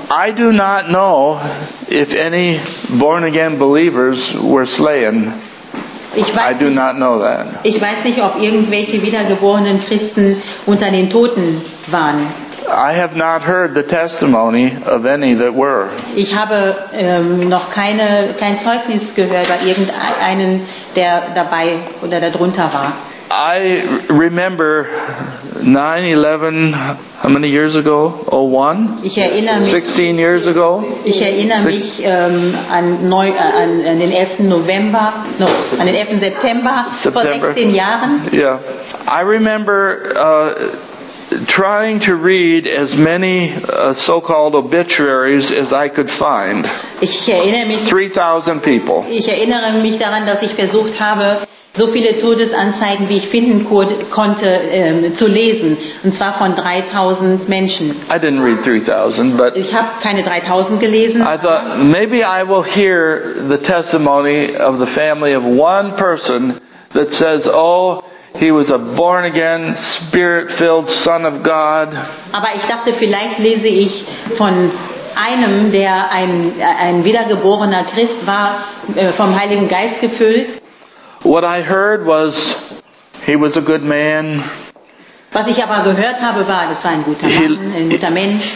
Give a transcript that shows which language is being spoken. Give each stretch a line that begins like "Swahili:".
English: I do not know if any born again believers were slain. I do not know that.
German: Ich weiß nicht, ob irgendwelche wiedergeborenen Christen unter den Toten waren.
English: I have not heard the testimony of any that were.
German: Ich habe noch kein Zeugnis gehört bei irgendeinen, der dabei oder darunter war.
English: I remember 9/11, how many years ago? 01?
German: Ich erinnere mich,
English: 16 years ago?
German: Ich erinnere mich an den 11. November, no, an den 11. September. Vor 16 Jahren.
English: Yeah. I remember trying to read as many so-called obituaries as I could find.
German: Ich erinnere mich,
English: 3,000 people.
German: Ich erinnere mich daran, dass ich versucht habe, so viele Todesanzeigen, wie ich finden konnte, zu lesen. Und zwar von 3,000 Menschen.
English: I didn't read 3,000, but
German: ich habe keine 3,000 gelesen.
English: I thought, maybe I will hear the testimony of the family of one person that says, oh, he was a born again, spirit-filled son of God.
German: Aber ich dachte, vielleicht lese ich von einem, der ein wiedergeborener Christ war, vom Heiligen Geist gefüllt.
English: What I heard was, he was a good man.
German: Was ich aber gehört habe, war, das war ein guter Mann, ein guter Mensch.